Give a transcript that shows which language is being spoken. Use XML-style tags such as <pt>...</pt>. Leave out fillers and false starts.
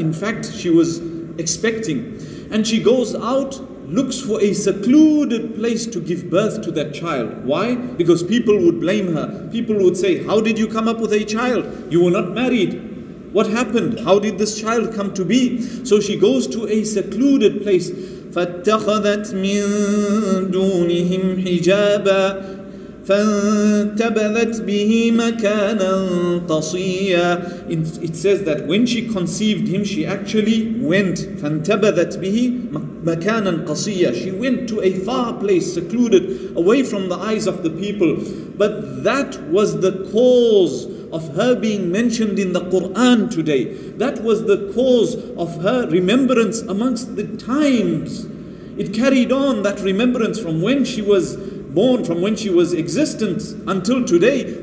<en>In fact, she was expecting. And she goes out, looks for a secluded place to give birth to that child. Why? Because people would blame her. People would say, how did you come up with a child? You were not married. What happened? How did this child come to be? So she goes to a secluded place.</en> <ar>فَاتَّخَذَتْ مِن دُونِهِمْ حِجَابًا فَانْتَبَذَتْ بِهِ مَكَانًا قَصِيًّا</ar> <en>It says that when she conceived him, she actually went.</en> <ar>فَانْتَبَذَتْ بِهِ مَكَانًا مَكَانًا قَصِيًّا.</ar> <en>She went to a far place, secluded, away from the eyes of the people. But that was the cause of her being mentioned in the Quran today. That was the cause of her remembrance amongst the times. It carried on, that remembrance, from when she was born, from when she was existence until today.</en>